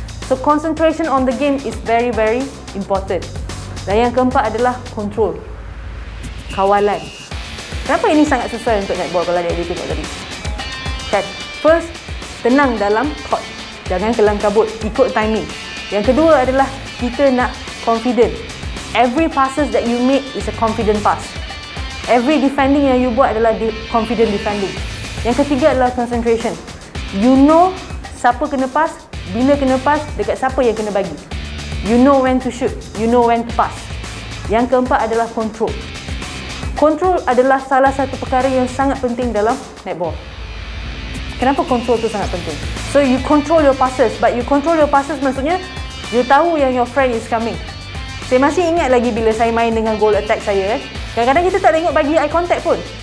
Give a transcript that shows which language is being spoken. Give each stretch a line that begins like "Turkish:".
English: So concentration on the game is very very important.
Malay: Dan yang keempat adalah control. Kawalan. Kenapa ini sangat susah untuk netball kalau dia tengok tadi? Kan?
English: First,
Malay: tenang dalam court. Jangan kelang kabut, ikut timing. Yang kedua adalah kita nak confident.
English: Every passes that you make is a confident pass.
Malay: Every defending yang you buat adalah confident defending. Yang ketiga adalah concentration. You know siapa kena pass, bila kena pass, dekat siapa yang kena bagi.
English: You know when to shoot, you know when to pass.
Malay: Yang keempat adalah control. Control adalah salah satu perkara yang sangat penting dalam netball. Kenapa control tu sangat penting?
English: So you control your passes, but you control your passes
Malay: maksudnya you tahu yang
English: your friend is coming.
Malay: Saya masih ingat lagi bila saya main dengan goal attack saya. Kadang-kadang kita tak tengok bagi eye contact pun.